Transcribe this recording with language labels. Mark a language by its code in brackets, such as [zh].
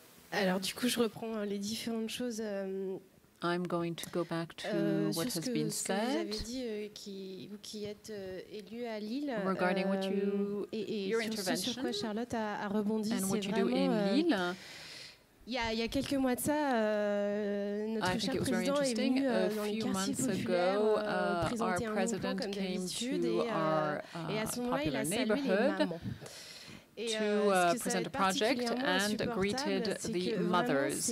[fr] Alors, du coup, je reprends les différentes choses. [en] I'm going to go back to what has been said. [fr] Ce que vous avez dit, qui êtes élu à Lille. [en] Regarding what you, your intervention. [fr] Et sur quoi Charlotte a rebondi, c'est vraiment. [en] And what you do in Lille. [fr] Il y a quelques mois de ça, notre cher président est venu dans les quartiers populaires présenter un nouveau plan comme d'habitude, et à ce moment-là, il a salué les mamans. [en] To present a project and greeted the mothers.